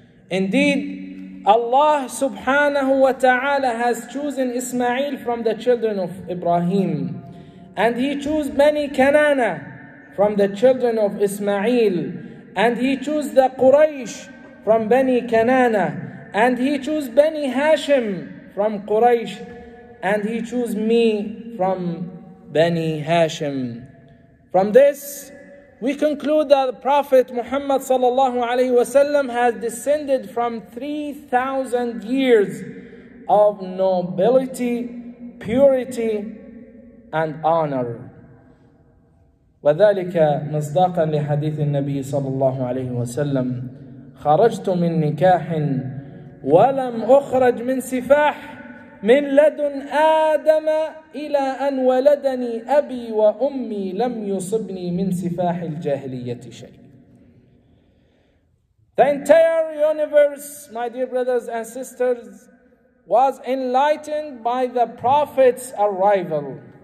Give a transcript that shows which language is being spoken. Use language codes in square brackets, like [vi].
[en] Indeed, Allah subhanahu wa ta'ala has chosen Ismail from the children of Ibrahim, and he chose Bani Kanana from the children of Ismail, and he chose the Quraysh from Bani Kanana, and he chose Bani Hashim from Quraysh, and he chose me from Bani Hashim. From this, we conclude that the Prophet Muhammad sallallahu alaihi wasallam has descended from 3,000 years of nobility, purity, and honor. [ar] وذلك مصداقا لحديث النبي صلى الله عليه وسلم: خرجت من نكاح ولم أخرج من سفاح من لدن آدم إلى أن ولدني أبي وأمي لم يصبني من سفاح الجاهلية شيء. [en] The entire universe, my dear brothers and sisters, was enlightened by the Prophet's arrival.